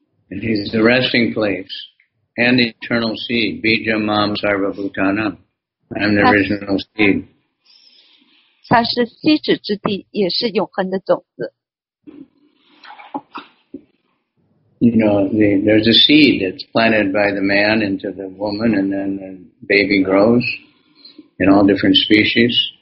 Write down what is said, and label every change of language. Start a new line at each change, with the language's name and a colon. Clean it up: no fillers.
English: And he is the resting place and the eternal seed,
Sanskrit: Bijamam Sarvabhutanam.
English: I am the original seed.
Chinese: 他是栖止之地，也是永恒的种子。
English: You know, there's a seed that's planted by the man into the woman, and then the baby grows in all different species.